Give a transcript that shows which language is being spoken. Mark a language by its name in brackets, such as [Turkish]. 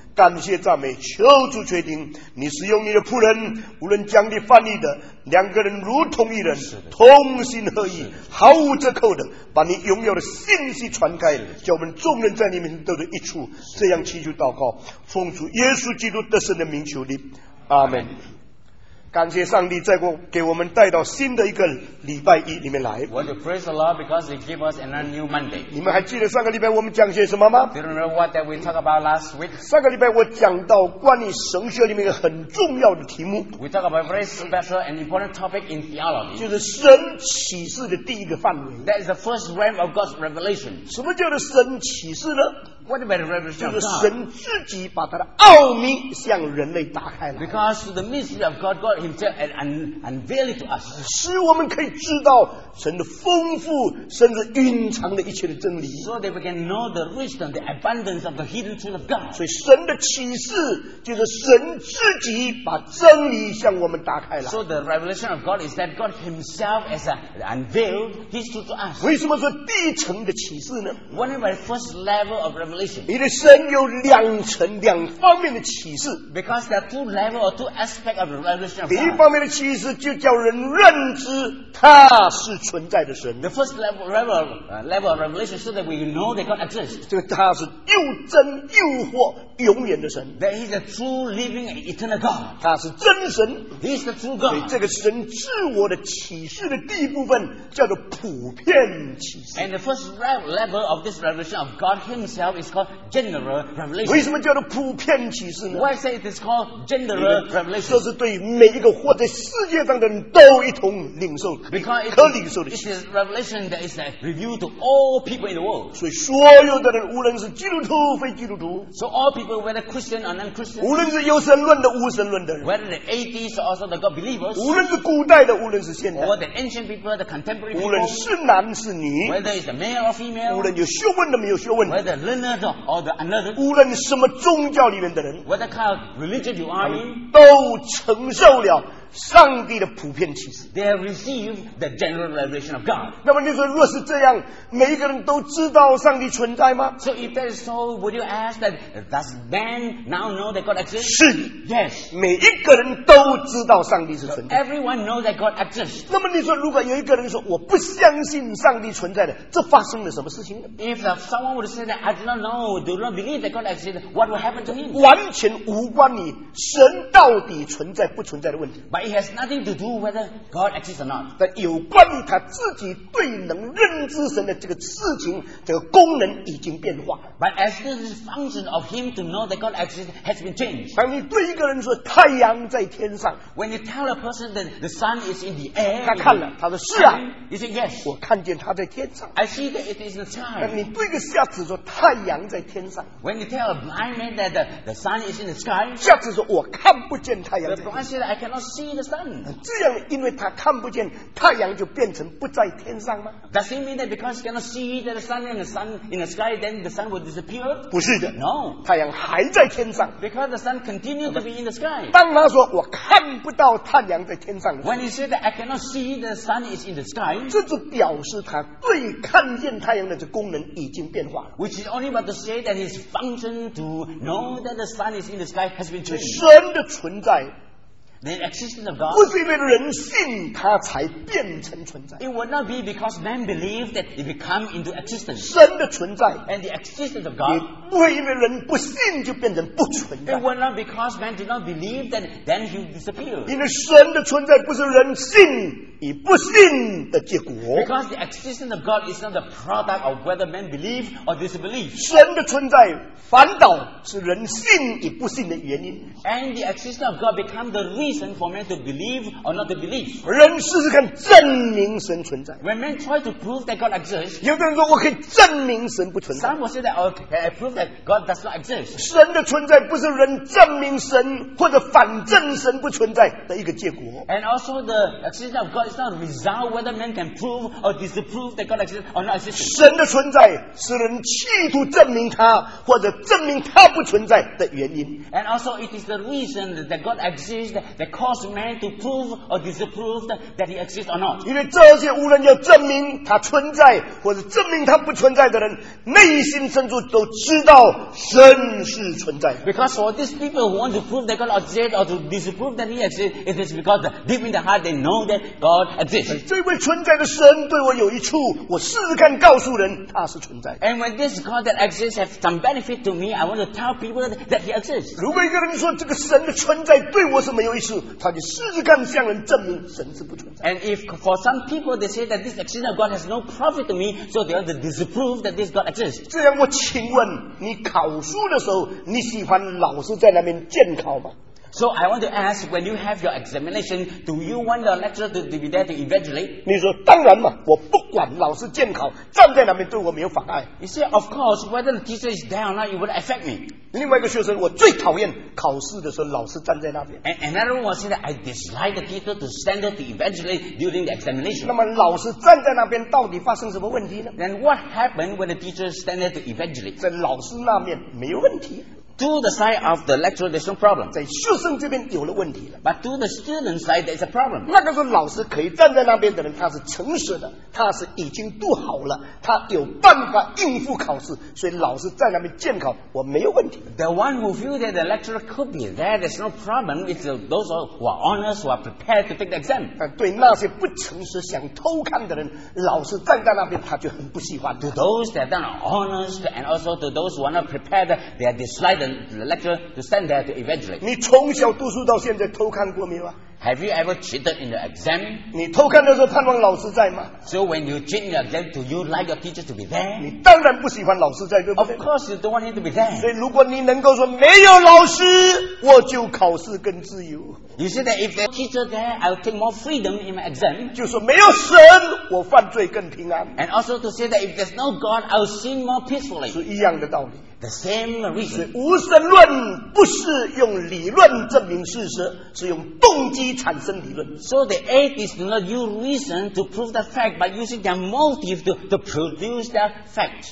[Chinese] 感谢赞美，求主垂听。你使用你的仆人，无论讲的翻译的，两个人如同一人，同心合意，毫无折扣的把你拥有的信息传开，叫我们众人在你面前得到益处。这样祈求祷告，奉主耶稣基督得胜的名求你，阿们。感谢上帝再给我们带到新的一个礼拜一里面来。 [English] We want to praise the Lord because He gave us another new Monday. [Chinese] 你们还记得上个礼拜我们讲些什么吗？ [English] Do you remember what that we talked about last week? [Chinese] 上个礼拜我讲到关于神学里面一个很重要的题目。 [English] We talked about a very special and important topic in theology. [Chinese] 就是神启示的第一个范围。 [English] That is the first realm of God's revelation. [Chinese] 什么叫做神启示呢？ [English] What about the revelation of God? [Chinese] 就是神自己把他的奥秘向人类打开了。 [English] Because the mystery of God, God Himself had unveiled to us, [Chinese] 使我们可以知道神的丰富甚至隐藏的一切的真理。 [English] So that we can know the wisdom, the abundance of the hidden truth of God. [Chinese] 所以神的启示就是神自己把真理向我们打开了。 [English] So the revelation of God is that God Himself has unveiled His truth to us. [Chinese] 为什么说第一层的启示呢？ [English] What about the first level of revelation? [Chinese] 你的神有两层两方面的启示。 [English] Because there are two levels or two aspects of the revelation of God. [Chinese] 第一方面的启示就叫人认知他是存在的神。 [English] The first level of revelation is so that we know that God exists. [Chinese] 这个他是又真又活永远的神。 [English] That he is a true living and eternal God. [Chinese] 他是真神。 [English] He is the true God. [Chinese] 所以这个神自我的启示的第一部分叫做普遍启示。 [English] And the first level of this revelation of God himself is called general revelation. [Chinese] 为什么叫做普遍启示呢？ [English] Why say it is called general revelation? [Chinese] 这是对每一个活在世界上的人都一同领受的。 [English] Because it, [Chinese] 可领受的。 [English] It is revelation that is revealed to all people in the world. [Chinese] 所以所有的人，无论是基督徒非基督徒。 [English] So all people, whether Christian or non-Christian. [Chinese] 无论是有神论的无神论的人。 [English] Whether the atheists or also the God believers. [Chinese] 无论是古代的，无论是现代。 [English] Or the ancient people, the contemporary people. [Chinese] 无论是男是女。 [English] Whether it's a male or female. [Chinese] 无论有学问的没有学问的。 [English] Whether learned or the unlearned. [Chinese] 无论什么宗教里面的人。 [English] Whether kind of religion you are in. [Chinese] 都承受了。上帝的普遍启示 [English] They have received the general revelation of God [Chinese] 那么你说若是这样每一个人都知道上帝存在吗 [English] So if that is so would you ask that Does man now know that God exists [Chinese] 是 [English] Yes [Chinese] 每一个人都知道上帝是存在 [English] Everyone knows that God exists [Chinese] 那么你说如果有一个人说我不相信上帝存在的这发生了什么事情 [English] If someone would say that I do not know Do not believe that God exists What will happen to him [Chinese] 完全无关你神到底存在不存在的问题 [English] But it has nothing to do whether God exists or not. [Chinese] 但有关于他自己对能认知神的这个事情，这个功能已经变化。 [English] But as the function of him to know that God exists has been changed. [Chinese] 当你对一个人说太阳在天上 [English] ，When you tell a person that the sun is in the air， [Chinese] 他看了，他说是啊。 [English] You say yes. [Chinese] 我看见他在天上。 [English] I see that it is the sky. [Chinese] 你对一个瞎子说太阳在天上 [English] ，When you tell a blind man that the sun is in the sky， [Chinese] 瞎子说我看不见太阳。 [English] The blind said I cannot see. [Chinese] 这样，因为他看不见太阳，就变成不在天上吗 [English] ？Does it mean that because he cannot see that the sun and the sun in the sky, then the sun will disappear? [Chinese] 不是的 [English] ，No， [Chinese] 太阳还在天上。 [English] Because the sun continues to be in the sky. [Chinese] 当他说我看不到太阳在天上 [English] ，When he said that I cannot see the sun is in the sky， [Chinese] 这就表示他对看见太阳的这功能已经变化了。 [English] Which is only about to say that his function to know that the sun is in the sky has been changed. [Chinese] 神的存在。 [English] The existence of God, [Chinese] 不是因为人信他才变成存在。 [English] It would not be because man believed that it became into existence. [Chinese] 神的存在 [English] and the existence of God, [Chinese] 也不会因为人不信就变成不存在。 [English] It would not because man did not believe that then he disappeared. [Chinese] 因为神的存在不是人信与不信的结果。 [English] Because the existence of God is not the product of whether man believe or disbelieve. [Chinese] 神的存在反倒是人信与不信的原因。 [English] And the existence of God become the reason for man to believe or not to believe. [Chinese] 人试试看证明神存在。 [English] When man try to prove that God exists, [Chinese] 有的人说我可以证明神不存在。 [English] Some will say that I prove that God does not exist. [Chinese] 神的存在不是人证明神或者反证神不存在的一个结果。 [English] And also the existence of God is not a result whether man can prove or disprove that God exists or not exists. [Chinese] 神的存在是人企图证明他或者证明他不存在的原因。 [English] And also it is the reason that God exists. That cause man to prove or disapprove that he exists or not. [Chinese] 因为这些无论要证明他存在或者证明他不存在的人，内心深处都知道神是存在的。 [English] Because for these people who want to prove that God exists or to disapprove that he exists, it is because deep in the heart they know that God exists. [Chinese] 这位存在的神对我有益处，我试试看告诉人他是存在的。 [English] And when this God that exists has some benefit to me, I want to tell people that he exists. [Chinese] 如果一个人说这个神的存在对我是没有意思，他就试试看向人证明神是不存在。 [English] And if for some people they say that this existence of God has no profit to me, so they want to disprove that this God exists. [Chinese] 这样我请问，你考书的时候，你喜欢老师在那边监考吗？ [English] So I want to ask, when you have your examination, do you want the lecturer to be there to evaluate? [Chinese] 你说当然嘛，我不管老师监考，站在那边对我没有妨碍。 [English] You say, of course, whether the teacher is there or not, it would affect me. [Chinese] 另外一个学生，我最讨厌考试的时候老师站在那边。 [English] And another one said I dislike the teacher to stand there to evaluate during the examination. [Chinese] 那么老师站在那边到底发生什么问题呢 [English] ？Then what happened when the teacher stand there to evaluate? [Chinese] 在老师那边没有问题。 [English] To the side of the lecturer, there's no problem. [Chinese] 在学生这边有了问题了。 [English] But to the student side, there's a problem. [Chinese] 那个时候老师可以站在那边的人，他是诚实的，他是已经读好了，他有办法应付考试，所以老师在那边监考，我没有问题。 [English] The one who feels that the lecturer could be there, there's no problem. It's those who are honest, who are prepared to take the exam. [Chinese] 对那些不诚实想偷看的人，老师站在那边他就很不喜欢。 [English] To those that are honest and also to those who are not prepared, they are disliked. The lecturer to stand there to evaluate. [Chinese] 你从小读书到现在偷看过没有啊？ [English] Have you ever cheated in the exam? [Chinese] 你偷看的时候盼望老师在吗？ [English] So when you cheat in the exam, do you like your teacher to be there? [Chinese] 你当然不喜欢老师在，对不对？ [English] Of course you don't want him to be there. [Chinese] 所以如果你能够说没有老师，我就考试更自由。 [English] You see that if there's a teacher there, I'll take more freedom in my exam. [Chinese] 就说没有神，我犯罪更平安。 [English] And also to say that if there's no God, I'll sin more peacefully. [Chinese] 是一样的道理。 [English] The same reason. [Chinese] 所以无神论不是用理论证明事实，是用动机产生理论。 [English] So the atheist do not use reason to prove the fact, but using their motive to produce the fact.